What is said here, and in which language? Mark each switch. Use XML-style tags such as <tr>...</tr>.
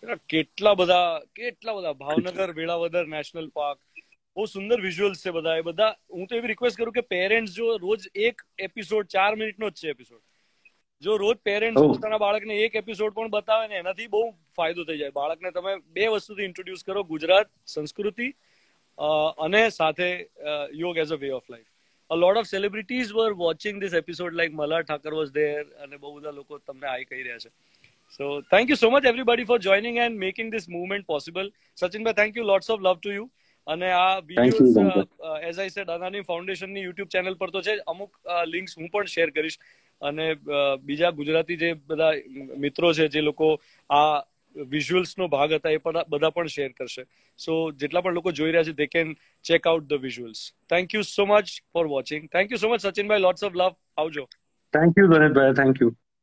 <gu>કેટલા બધા Bhavnagar Velavadar national park, બહુ સુંદર વિઝ્યુઅલ્સ છે બધા. એ બધા હું તો એવી રિક્વેસ્ટ કરું કે પેરેન્ટ્સ જો રોજ એક એપિસોડ, 4 મિનિટનો જ છે એપિસોડ, જો રોજ પેરેન્ટ્સ પોતાના બાળકને એક એપિસોડ પણ બતાવે ને એનાથી બહુ ફાયદો થઈ જાય. બાળકને તમે બે વસ્તુથી ઇન્ટ્રોડ્યુસ કરો, ગુજરાત સંસ્કૃતિ અને સાથે યોગ as a way of life.</gu> <en>a lot of celebrities were watching this episode, like Malhar Thakar was there,</en> <gu>અને બહુ બધા લોકો તમને આઈ કહી રહ્યા છે.</gu> <en>So, thank you so much everybody for joining and making this movement possible. Sachin bhai, thank you. Lots of love to you.</en> <gu>And આ videos,</gu> <en>as I said,</en> <gu>Adani Foundation ની YouTube channel પર તો છે, અમુક links હું પણ share કરીશ. અને બીજા ગુજરાતી જે બધા મિત્રો છે જે લોકો આ visuals નો ભાગ હતા એ પણ બધા પણ શેર કરશે.</gu> <en>So,</en> <gu>જેટલા પણ લોકો જોઈ રહ્યા છે</gu> <en>they can check out the visuals. Thank you so much for watching. Thank you so much, Sachin bhai. Lots of love.</en> <gu>આવજો.</gu> <en>Thank you, Dhvanit bhai. Thank you.</en>